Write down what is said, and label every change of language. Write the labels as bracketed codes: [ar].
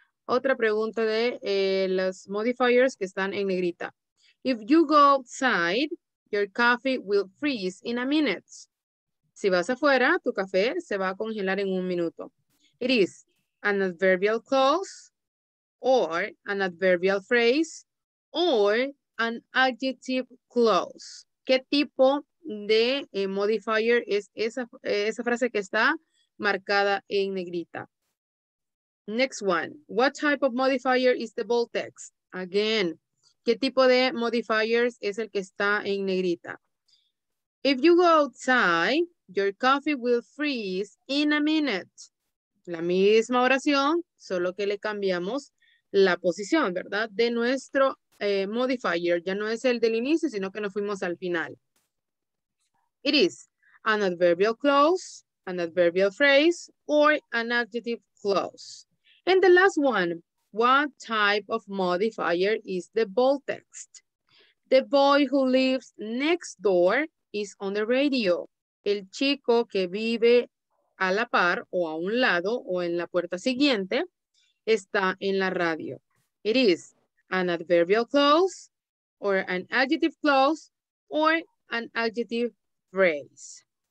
[es] Otra pregunta de las modifiers que están en negrita. [en] If you go outside, your coffee will freeze in a minute. Si vas afuera, tu café se va a congelar en un minuto. It is an adverbial clause or an adverbial phrase or an adjective clause. [es] ¿Qué tipo de modifier es esa frase que está marcada en negrita? [en] Next one. What type of modifier is the bold text? Again, [es] ¿Qué tipo de modifiers es el que está en negrita? [en] If you go outside, your coffee will freeze in a minute. [es] La misma oración, solo que le cambiamos la posición, ¿verdad? De nuestro modifier. Ya no es el del inicio, sino que nos fuimos al final. [en] It is an adverbial clause, an adverbial phrase, or an adjective clause. And the last one, what type of modifier is the bold text? The boy who lives next door is on the radio. [es] El chico que vive a la par o a un lado o en la puerta siguiente está en la radio. [en] It is an adverbial clause or an adjective clause or an adjective phrase.